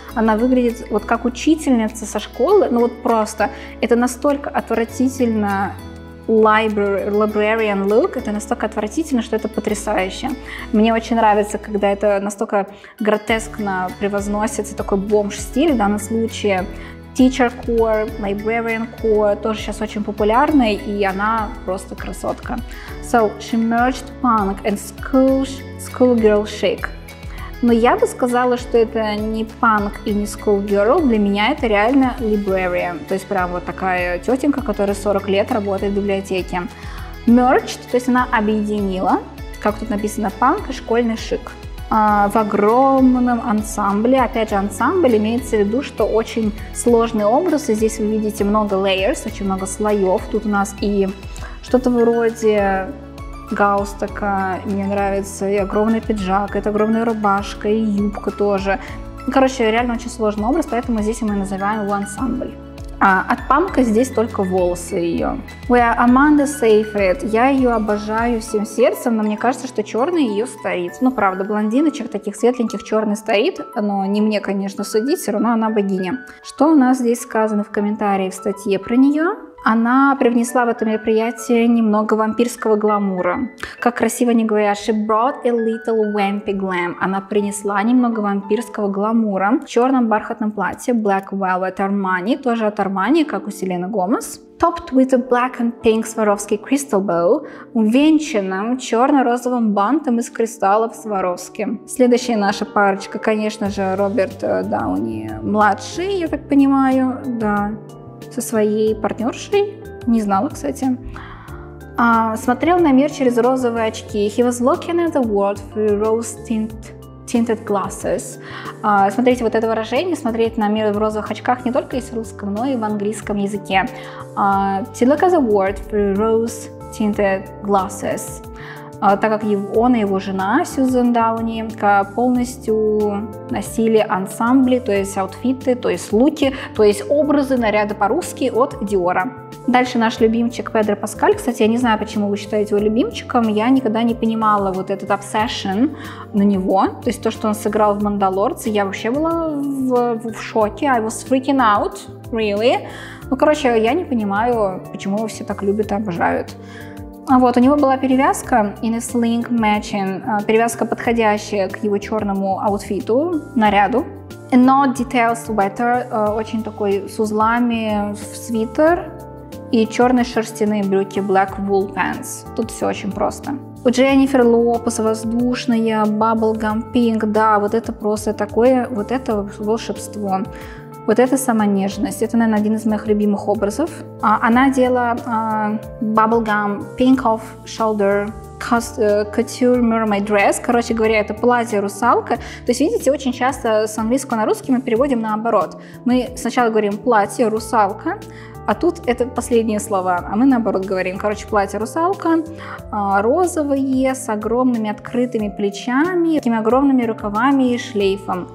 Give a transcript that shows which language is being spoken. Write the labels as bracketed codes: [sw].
[ru] Она выглядит вот как учительница со школы. Ну вот просто. Это настолько отвратительно [en] librarian look. [ru] Это настолько отвратительно, что это потрясающе. Мне очень нравится, когда это настолько гротескно превозносится. Такой бомж-стиль в данном случае. [en] Teacher core, librarian core, [ru] тоже сейчас очень популярный, и она просто красотка. [en] So, she merged punk and school girl chic. [ru] Но я бы сказала, что это не панк и не schoolgirl. Для меня это реально librarian. То есть прям вот такая тетенька, которая 40 лет работает в библиотеке. Merged, то есть она объединила, как тут написано, панк и школьный шик. В огромном ансамбле. Опять же, ансамбль имеется в виду, что очень сложный образ. И здесь вы видите много layers, очень много слоев. Тут у нас и что-то вроде галстука, мне нравится, и огромный пиджак, это огромная рубашка, и юбка тоже. Короче, реально очень сложный образ, поэтому здесь мы называем его ансамбль. А от панка здесь только волосы ее. [en] We are Amanda Seyfried. [ru] Я ее обожаю всем сердцем, но мне кажется, что черный ее стоит. Ну, правда, блондиночек таких светленьких черный стоит, но не мне, конечно, судить, все равно она богиня. Что у нас здесь сказано в комментарии в статье про нее? Она привнесла в это мероприятие немного вампирского гламура. Как красиво они говорят, [en] she brought a little vampy glam. [ru] Она принесла немного вампирского гламура в черном бархатном платье, [en] black velvet Armani, [ru] тоже от Armani, как у Селены Гомес. [en] Topped with a black and pink Swarovski crystal bow, [ru] увенчанным черно-розовым бантом из кристаллов Swarovski. Следующая наша парочка, конечно же, Роберт Дауни младший, я так понимаю, да. Со своей партнершей. Не знала, кстати. Смотрел на мир через розовые очки. [en] He was looking at the world through rose-tinted glasses. [ru] Смотрите, вот это выражение, смотреть на мир в розовых очках, не только есть в русском, но и в английском языке. [en] To look at the world through rose-tinted glasses. [ru] Так как он и его жена, Сьюзен Дауни, полностью носили ансамбли, то есть аутфиты, то есть луки, то есть образы, наряды по-русски от Диора. Дальше наш любимчик Педро Паскаль. Кстати, я не знаю, почему вы считаете его любимчиком. Я никогда не понимала вот этот obsession на него. То есть то, что он сыграл в «Мандалорце», я вообще была в шоке. [en] I was freaking out, really. [ru] Ну, короче, я не понимаю, почему его все так любят и обожают. Вот, у него была перевязка [en] in a sling matching, [ru] перевязка, подходящая к его черному аутфиту, наряду. [en] A not detailed sweater, [ru] очень такой с узлами в свитер. И черные шерстяные брюки, [en] black wool pants. [ru] Тут все очень просто. У Дженнифер Лопес воздушная, [en] bubblegum pink, [ru] да, вот это просто такое, вот это волшебство. Вот это сама нежность. Это, наверное, один из моих любимых образов. Она одела [en] bubblegum pink off shoulder couture mermaid dress. [ru] Короче говоря, это платье-русалка. То есть, видите, очень часто с английского на русский мы переводим наоборот. Мы сначала говорим платье-русалка, а тут это последние слова. А мы наоборот говорим. Короче, платье-русалка розовое, с огромными открытыми плечами, с такими огромными рукавами и шлейфом.